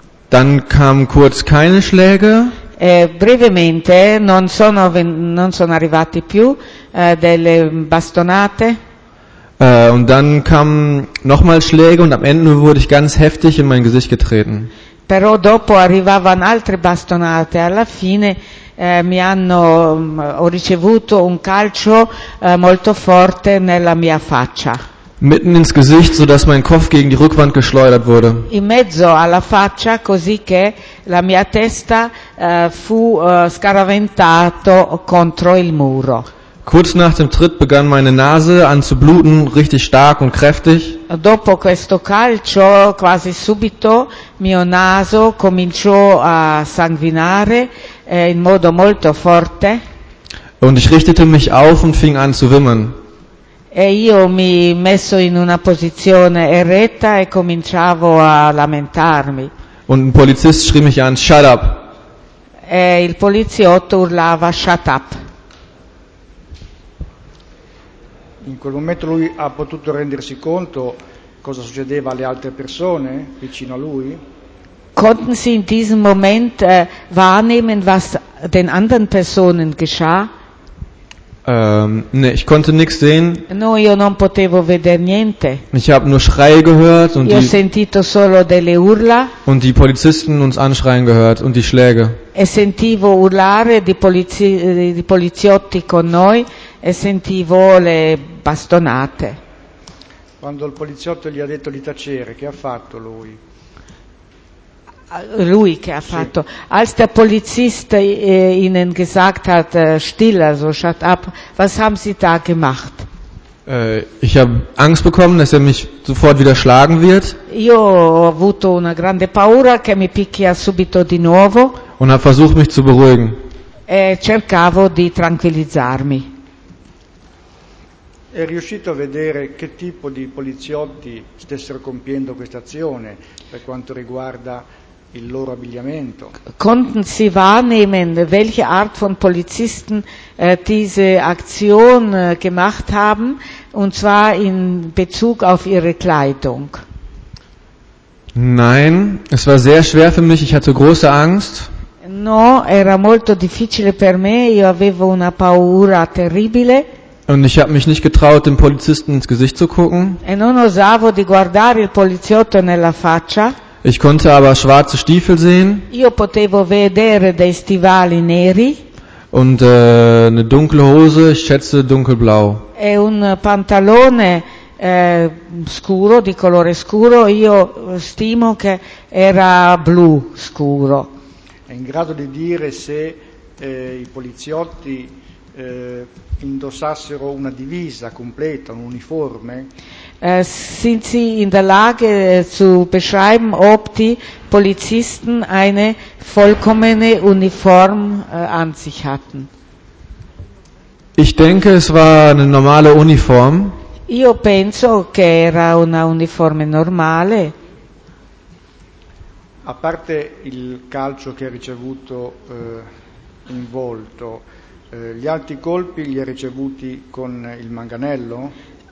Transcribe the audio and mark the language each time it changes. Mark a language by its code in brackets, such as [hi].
[de] Dann kamen kurz keine Schläge. [it] Brevemente non sono arrivati più delle bastonate. [de] Und dann kamen nochmal Schläge und am Ende wurde ich ganz heftig in mein Gesicht getreten. [it] Però dopo arrivavano altre bastonate. Alla fine ho ricevuto un calcio molto forte nella mia faccia. [de] Mitten ins Gesicht, so dass mein Kopf gegen die Rückwand geschleudert wurde. [it] In mezzo alla faccia, così che la mia testa fu scaraventato contro il muro. [de] Kurz nach dem Tritt begann meine Nase an zu bluten, richtig stark und kräftig. [it] Dopo questo calcio, quasi subito, mio naso cominciò a sanguinare in modo molto forte. [de] Und ich richtete mich auf und fing an zu wimmern. [it] E io mi messo in una posizione eretta e cominciavo a lamentarmi. [de] Und ein Polizist schrie mich an, [en] shut up. [it] E il poliziotto urlava, [en] shut up. [it] In quel momento lui ha potuto rendersi conto cosa succedeva alle altre persone vicino a lui? [de] Konnten Sie in diesem Moment wahrnehmen, was den anderen Personen geschah? Nee, ich konnte nichts sehen. [it] No, io non potevo vedere niente. [de] Ich habe nur Schreie gehört und [it] ho sentito solo delle urla. [de] Und die Polizisten uns anschreien gehört und die Schläge. [it] E sentivo urlare di poliziotti con noi e sentivo le bastonate. Quando il poliziotto gli ha detto di tacere, che ha fatto lui? Lui che ha fatto. Sì. [de] Als der Polizist ihnen gesagt hat, still, also [en] shut up, [de] was haben Sie da gemacht? Ich habe Angst bekommen, dass mich sofort wieder schlagen wird. [it] Io ho avuto una grande paura che mi picchia subito di nuovo. [de] Und habe versucht, mich zu beruhigen. [it] E cercavo di tranquillizzarmi. È riuscito a vedere che tipo di poliziotti stessero compiendo questa azione per quanto riguarda il loro abbigliamento. [de] Konnten Sie wahrnehmen, welche Art von Polizisten diese Aktion gemacht haben, und zwar in Bezug auf ihre Kleidung? Nein, es war sehr schwer für mich, ich hatte große Angst. [it] No, era molto difficile per me, io avevo una paura terribile. [de] Und ich habe mich nicht getraut, dem Polizisten ins Gesicht zu gucken. [it] E non osavo di guardare il poliziotto nella faccia. [de] Ich konnte aber schwarze Stiefel sehen. [it] Io potevo vedere dei stivali neri. [de] Und eine dunkle Hose, ich schätze dunkelblau. [it] E un pantalone scuro, di colore scuro, io stimo che era blu scuro. È in grado di dire se i poliziotti indossassero una divisa completa, un uniforme? [de] Sind Sie in der Lage zu beschreiben, ob die Polizisten eine vollkommene Uniform an sich hatten? Ich denke, es war eine normale Uniform. [it] Io penso che era una uniforme normale. A parte il calcio che ha ricevuto in volto, gli altri colpi li ha ricevuti con il manganello?